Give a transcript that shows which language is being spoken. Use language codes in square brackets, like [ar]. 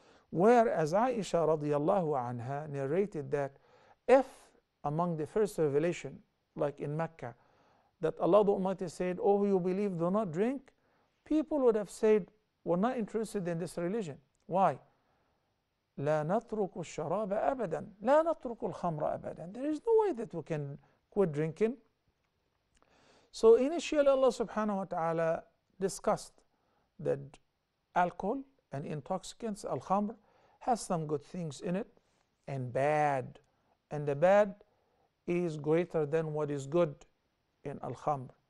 [en] Whereas Aisha radiallahu anha narrated that if among the first revelation, like in Mecca, that Allah the Almighty said, oh, you believe, do not drink, people would have said, we're not interested in this religion. Why? [ar] لا نترك الشراب أبدا لا نترك الخمر أبدا. [en] There is no way that we can quit drinking. So initially Allah subhanahu wa ta'ala discussed that alcohol and intoxicants, al-khamr, has some good things in it and bad. And the bad is greater than what is good in al-khamr.